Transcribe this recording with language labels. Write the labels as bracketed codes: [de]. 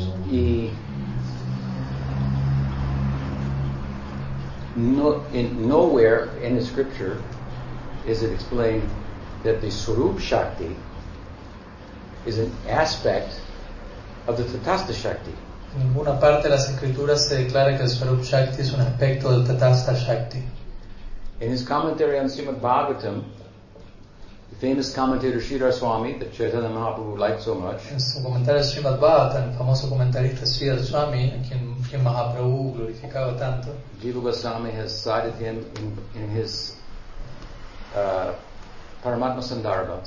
[en] Y nowhere in the scripture is it explained that the Swarup Shakti is an aspect of the Tathasta Shakti. [es] En ninguna parte de las escrituras se declara que el Swarup Shakti es un aspecto del Tathasta Shakti. [en] In his commentary on Srimad Bhagavatam, the famous commentator Sridhar Swami, that Chaitanya Mahaprabhu liked so much, [es] en su comentario de Srimad Bhagavatam, el famoso comentarista Sridhar Swami, que Mahaprabhu glorificaba tanto, [en] Jiva Goswami has cited him in his Paramatma Sandarbha.